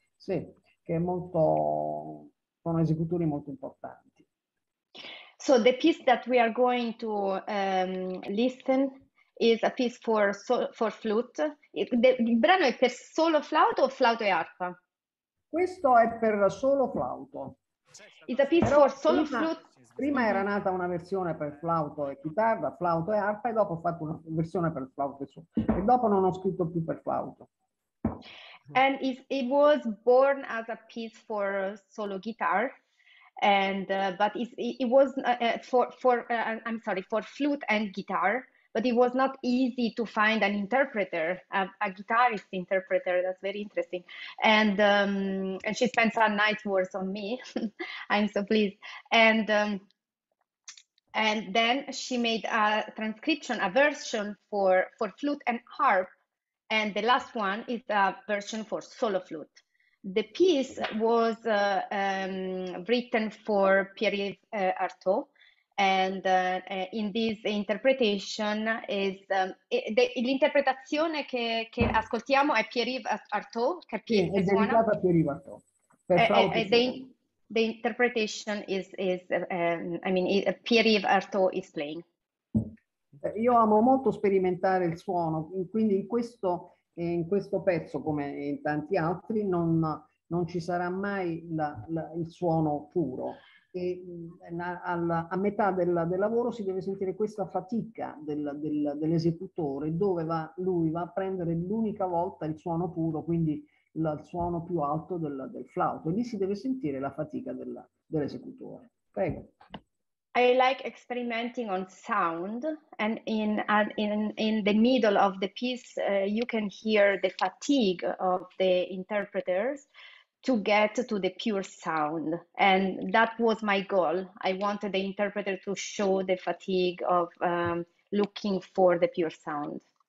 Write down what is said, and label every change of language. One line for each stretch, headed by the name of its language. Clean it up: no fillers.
Italian: Sì, che è molto, sono esecutori molto importanti.
English: So the piece that we are going to listen is a piece for flute.
Italian: Il brano è per solo flauto o flauto e arpa? Questo è per solo flauto.
English: It's a piece for solo flute.
Italian: Prima era nata una versione per flauto e chitarra, flauto e arpa, e dopo ho fatto una versione per flauto e su, e dopo non ho scritto più per flauto.
English: And it was born as a piece for solo guitar, and but it was I'm sorry, for flute and guitar, but it was not easy to find an interpreter, a guitarist interpreter. That's very interesting. And she spent some nice words on me. I'm so pleased. And then she made a transcription, a version for flute and harp. And the last one is a version for solo flute. The piece was written for Pierre-Yves Artaud. And in this interpretation is,
Italian: l'interpretazione che ascoltiamo è
English: Pierre-Yves Artaud.
Italian: È dedicata a Pierre-Yves Artaud.
English: The interpretation is Pierre-Yves Artaud is playing.
Italian: Io amo molto sperimentare il suono, quindi in questo pezzo, come in tanti altri, non ci sarà mai il suono puro. E a metà del lavoro si deve sentire questa fatica dell'esecutore, dove lui va a prendere l'unica volta il suono puro, quindi il suono più alto del flauto. E lì si deve sentire la fatica dell'esecutore. Prego.
English: I like experimenting on sound, and in the middle of the piece you can hear the fatigue of the interpreters to get to the pure sound, and that was my goal. I wanted the interpreter to show the fatigue of looking for the pure sound.